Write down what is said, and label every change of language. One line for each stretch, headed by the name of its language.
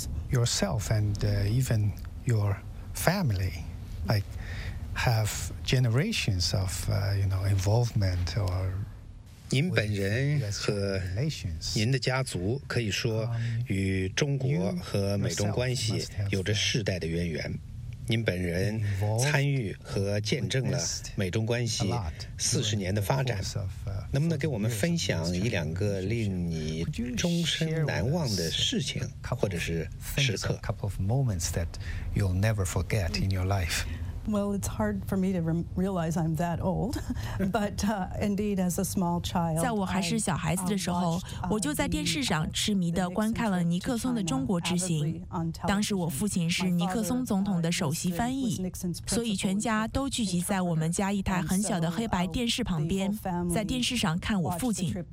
English: Yourself and even your family. Like, have generations of, you know, involvement or.
Chinese: 您本人和您的家族可以说与中国和美中关系有着世代的渊源。您本人参与和见证了美中关系四十年的发展，能不能给我们分享一两个令你终身难忘的事情或者是时刻？
English: Couple of moments that you'll never forget in your life. Well, it's hard for me to realize I'm that old, but indeed, as a small child,
Chinese: 在我还是小孩子的时候，我就在电视上痴迷地观看了尼克松的中国之行。当时我父亲是尼克松总统的首席翻译，所以全家都聚集在我们家一台很小的黑白电视旁边，在电视上看我父亲。